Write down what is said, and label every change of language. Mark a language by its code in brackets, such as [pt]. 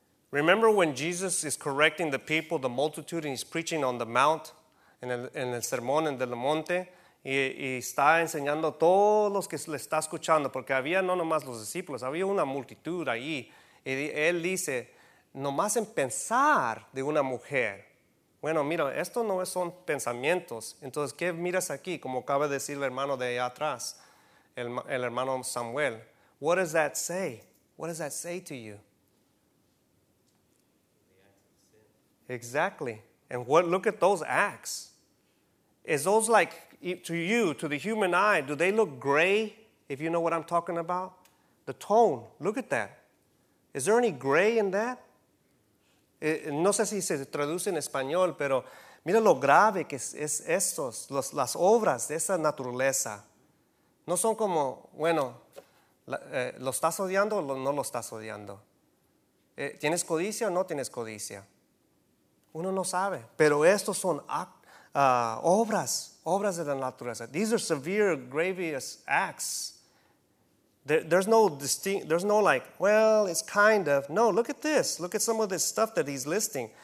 [en] Remember when Jesus is correcting the people, the multitude, and he's preaching on the mount, [es] en el sermón en el monte, y está enseñando a todos los que le está escuchando, porque había no nomás los discípulos, había una multitud ahí. Y él dice, nomás en pensar de una mujer. Bueno, mira, esto no son pensamientos. Entonces, ¿qué miras aquí? Como acaba de decir el hermano de allá atrás, el hermano Samuel. [en] What does that say? What does that say to you? Exactly. And what? Look at those acts. Is those like, to you, to the human eye, do they look gray, if you know what I'm talking about? The tone, look at that. Is there any gray in that? [es] No sé si se traduce en español, pero mira lo grave que es estos, las obras de esa naturaleza. No son como, bueno, lo estás odiando o no lo estás odiando. ¿Tienes codicia o no tienes codicia? Uno no sabe. Pero estos son obras de la naturaleza. [en] These are severe, grievous acts. There's no distinct, there's no like, well, it's kind of. No, look at this. Look at some of this stuff that he's listing.